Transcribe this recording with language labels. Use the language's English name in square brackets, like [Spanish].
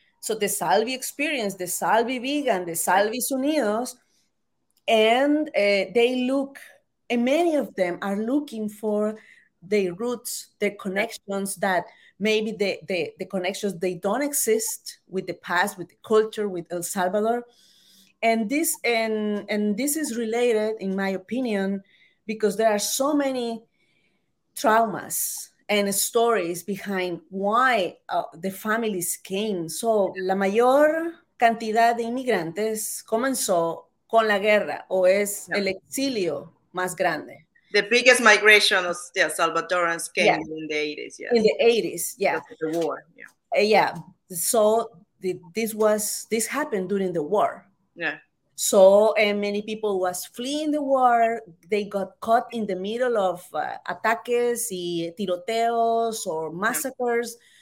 [English] So the Salvi experience, the Salvi vegan, the Salvi Unidos, and they look, and many of them are looking for their roots, their connections that maybe the connections, they don't exist with the past, with the culture, with El Salvador. And this is related, in my opinion, because there are so many traumas and stories behind why the families came. [Spanish] So la mayor cantidad de inmigrantes comenzó con la guerra o es el exilio más grande. [English] The biggest migration of the Salvadorans came in the 80s. Yes. In the 80s, yeah. The war, yeah. So this happened during the war. Yeah. So many people was fleeing the war. They got caught in the middle of [Spanish] ataques y tiroteos [English] or massacres. Yeah.